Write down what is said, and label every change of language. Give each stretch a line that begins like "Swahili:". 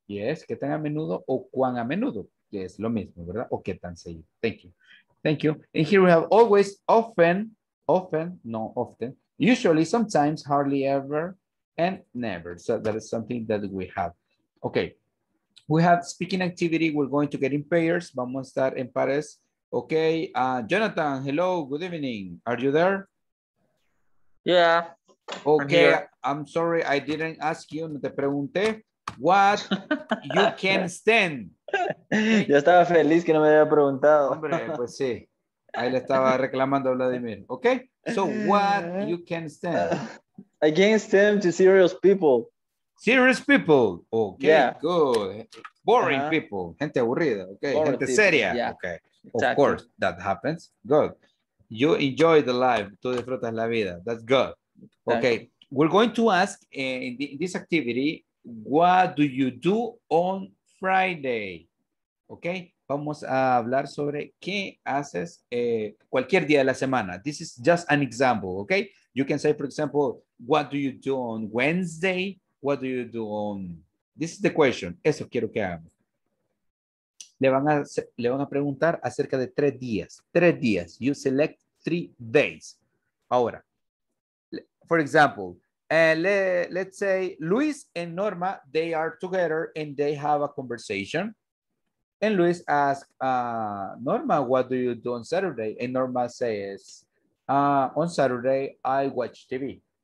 Spanish: Yes, ¿qué tan a menudo o cuán a menudo? Es lo mismo, ¿verdad? O ¿qué tan seguido?
English: Thank you. Thank you. And here we have always, often, often, no often, usually, sometimes, hardly ever, and never. So that is something that we have. Okay. We have speaking activity. We're going to get in pairs.
Spanish: Vamos a estar en pares.
English: Okay, Jonathan, hello, good evening. Are you there? Yeah. Okay, I'm sorry, I didn't ask you,
Spanish: no te pregunté.
English: What you can stand?
Spanish: Yo estaba feliz que no me había preguntado. Hombre, pues sí. Ahí le estaba reclamando a Vladimir.
English: Okay, so what you can stand? I can't stand to serious people. Serious people. Okay, yeah. Good. Boring people.
Spanish: Gente aburrida.
English: Okay, boring gente people. Seria. Yeah. Okay. Exactly. Of course, that happens. Good. You enjoy the life.
Spanish: Tú disfrutas la vida.
English: That's good. Okay. Thanks. We're going to ask in this activity, what do you do on Friday? Okay.
Spanish: Vamos a hablar sobre qué haces cualquier día de la semana.
English: This is just an example. Okay. You can say, for example, what do you do on Wednesday? What do you do on... This is the question.
Spanish: Eso quiero que hagamos. Le van a preguntar acerca de tres días. Tres días.
English: You select 3 days. Ahora, for example, let's say Luis and Norma, they are together and they have a conversation. And Luis asks, Norma, what do you do on Saturday? And Norma says, on Saturday, I watch TV.